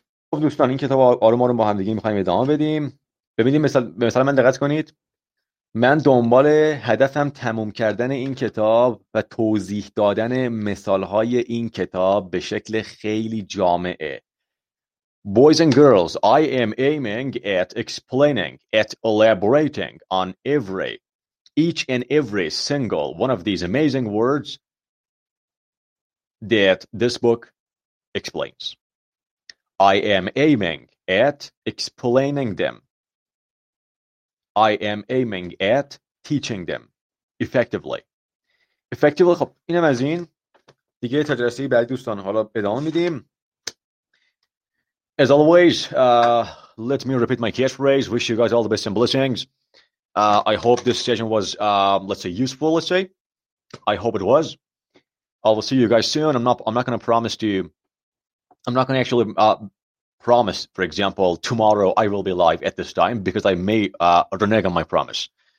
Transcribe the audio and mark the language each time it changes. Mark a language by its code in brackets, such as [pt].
[fa] خب دوستان این کتاب آروم آروم با هم دیگه می خواهیم ادامه بدیم. ببینید مثلا من دقت کنید، من دنبال هدفم تموم کردن این کتاب و توضیح دادن مثالهای این کتاب به شکل خیلی جامعه. [en] Boys and girls, I am aiming at explaining, at elaborating on every, each and every single one of these amazing words that this book explains. I am aiming at explaining them. I am aiming at teaching them effectively. Effectively. [fa] خب اینم از این. دیگه تا جلسه بعد دوستان حالا ادامه میدیم. [en] As always, let me repeat my catchphrase. Wish you guys all the best and blessings. I hope this session was, let's say, useful. Let's say, I hope it was. I will see you guys soon. I'm not going to actually promise, for example, tomorrow I will be live at this time because I may renege on my promise.